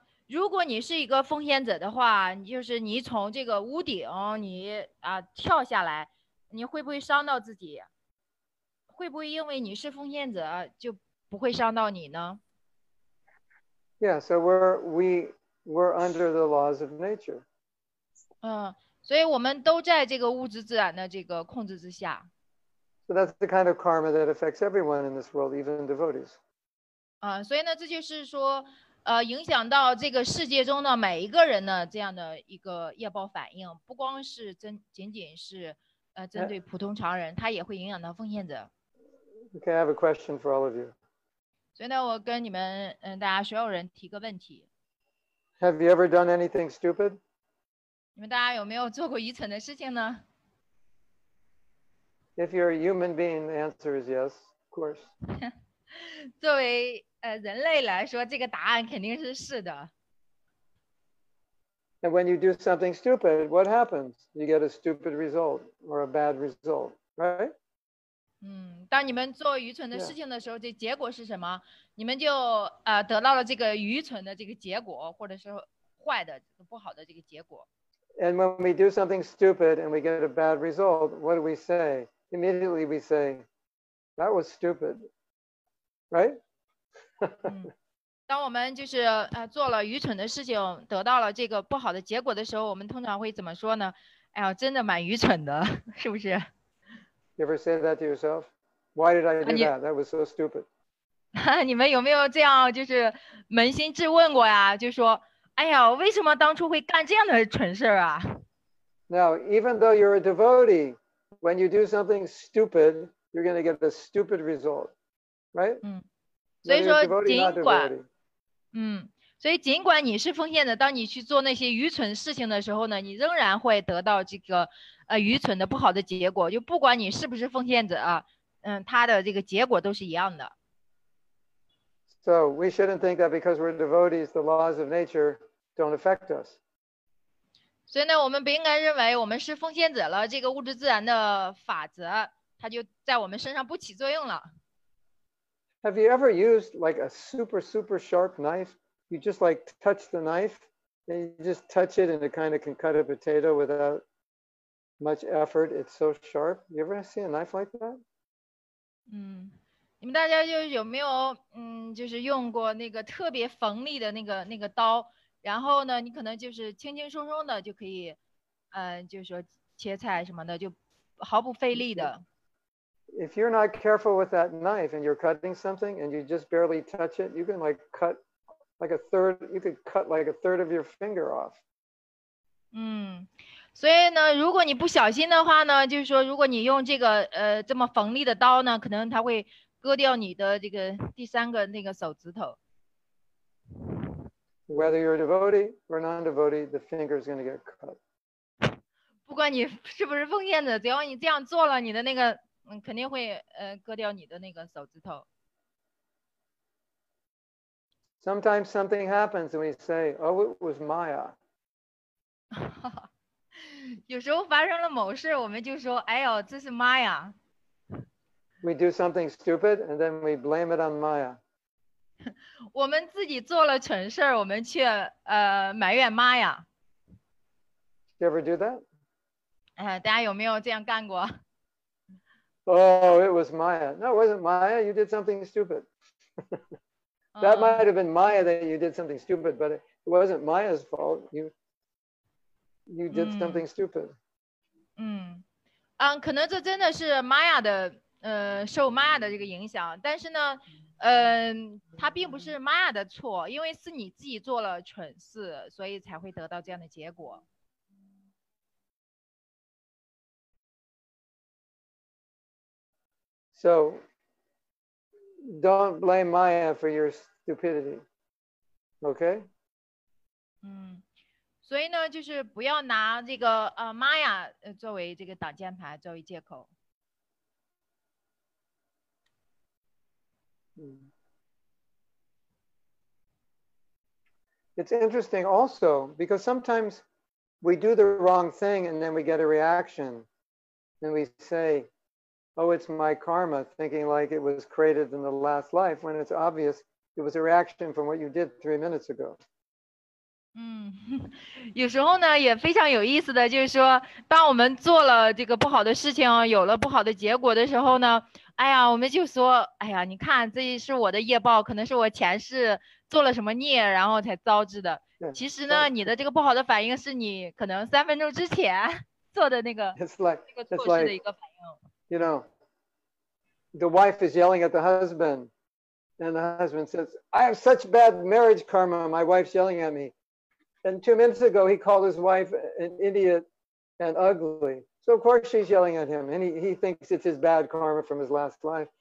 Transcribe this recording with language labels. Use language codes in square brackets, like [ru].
[zh] 如果你是一个奉献者的话，就是你从这个屋顶你啊跳下来，你会不会伤到自己？会不会因为你是奉献者就不会伤到你呢？ [en] Yeah, so we're under the laws of nature. [zh] 所以我们都在这个物质自然的这个控制之下。 [en] So that's the kind of karma that affects everyone in this world, even devotees. [zh] 所以呢，这就是说。影响到这个世界中的每一个人的这样的一个业报反应，不光是仅仅是针对普通常人，它也会影响到奉献者。 [en] Okay, I have a question for all of you. [zh] 所以呢，我跟你们大家所有人提个问题。 [en] Have you ever done anything stupid? [zh] 你们大家有没有做过愚蠢的事情呢？ [en] If you're a human being, the answer is yes, of course. [zh] 作为人类来说，这个答案肯定是是的。 [en] And when you do something stupid, what happens? You get a stupid result or a bad result, right? [zh] 当你们做愚蠢的事情的时候，这结果是什么？你们就得到了这个愚蠢的这个结果，或者是坏的、不好的这个结果。 [en] And when we do something stupid and we get a bad result, what do we say? Immediately we say, "That was stupid," right? [zh] 当我们就是做了愚蠢的事情，得到了这个不好的结果的时候，我们通常会怎么说呢？哎呀，真的蛮愚蠢的，是不是？ [en] You ever say that to yourself? Why did I do that? That was so stupid. [zh] 你们有没有这样就是扪心质问过呀？就说，哎呀，为什么当初会干这样的蠢事啊？ [en] Now, even though you're a devotee, when you do something stupid, you're going to get a stupid result, right? [zh] 所以说尽管你是奉献的，当你去做那些愚蠢事情的时候呢，你仍然会得到这个愚蠢的不好的结果，就不管你是不是奉献者，它的这个结果都是一样的。 [en] So we shouldn't think that because we're devotees, the laws of nature don't affect us. [zh] 所以呢，我们不应该认为我们是奉献者了，这个物质自然的法则它就在我们身上不起作用了。 [en] Have you ever used like a super, super sharp knife? You just like touch the knife and you just touch it and it kind of can cut a potato without much effort. It's so sharp. You ever see a knife like that? [zh] 你们大家就有没有就是用过那个特别锋利的那个刀，然后呢你可能就是轻轻松松的就可以就是说切菜什么的就毫不费力的。 [en] If you're not careful with that knife and you're cutting something and you just barely touch it, you can like cut like a third, you could cut like a third of your finger off. [zh] 所以呢，如果你不小心的话呢，就是说如果你用这个这么锋利的刀呢，可能它会割掉你的这个第三个那个手指头。 [en] Whether you're a devotee or non-devotee, the finger is going to get cut. [zh] 不管你是不是奉献者，只要你这样做了，你的那个肯定会割掉你的那个手指头。 [en] Sometimes something happens and we say, "Oh, it was Maya." [zh] 有时候发生了某事，我们就说，哎呦，这是 Maya。 [en] We do something stupid and then we blame it on Maya. [zh] 我们自己做了蠢事，我们却埋怨 Maya。 [en] Did you ever do that? [zh] 大家有没有这样干过？ [en] Oh, it was Maya. No, it wasn't Maya. You did something stupid. That might have been Maya that you did something stupid, but it wasn't Maya's fault. You did something stupid. [zh] 可能这真的是 Maya 的受 Maya 的这个影响，但是呢，它并不是 Maya 的错，因为是你自己做了蠢事，所以才会得到这样的结果。 [en] So, don't blame Maya for your stupidity, okay? [zh] 所以呢，就是不要拿这个Maya 作为这个挡箭牌，作为借口。 [en] It's interesting also, because sometimes we do the wrong thing and then we get a reaction and we say, oh, it's my karma, thinking like it was created in the last life, when it's obvious it was a reaction from what you did 3 minutes ago. [zh] 有时候呢也非常有意思的就是说当我们做了这个不好的事情有了不好的结果的时候呢哎呀我们就说哎呀你看这是我的业报可能是我前世做了什么孽然后才造致的其实呢你的这个不好的反应是你可能三分钟之前做的那个错事的一个反应。 [en] You know, the wife is yelling at the husband, and the husband says, I have such bad marriage karma, my wife's yelling at me. And 2 minutes ago, he called his wife an idiot and ugly. So of course she's yelling at him. And he thinks it's his bad karma from his last life.